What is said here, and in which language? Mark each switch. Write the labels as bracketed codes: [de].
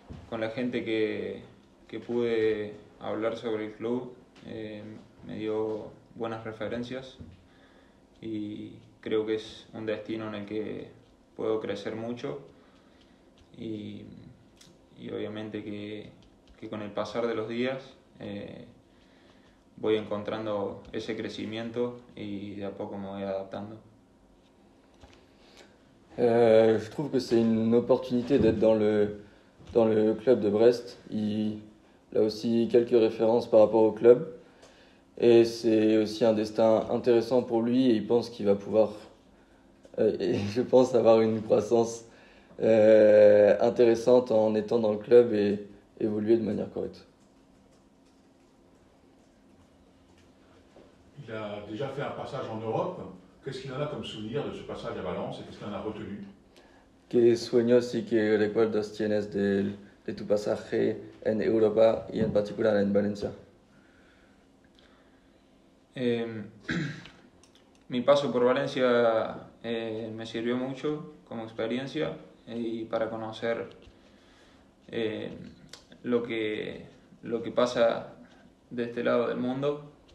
[es] Con la gente que pude hablar sobre el club, me dio buenas referencias y creo que es un destino en el que puedo crecer mucho. Y obviamente que con el pasar de los días voy encontrando ese crecimiento y de a poco me voy adaptando. [fr] Je trouve que c'est une opportunité d'être dans le club de Brest. Il a aussi quelques références par rapport au club. Et c'est aussi un destin intéressant pour lui et il pense qu'il va pouvoir, je pense, avoir une croissance intéressante en étant dans le club et évoluer de manière correcte. Il a déjà fait un passage en Europe. Qu'est-ce qu'il en a comme souvenir de ce passage à Valence et qu'est-ce qu'il en a retenu? [es] ¿Qué sueños y qué recuerdos tienes de tu pasaje en Europa y en particular en Valencia? Mi paso por Valencia me sirvió mucho como experiencia y para conocer lo que pasa de este lado del mundo.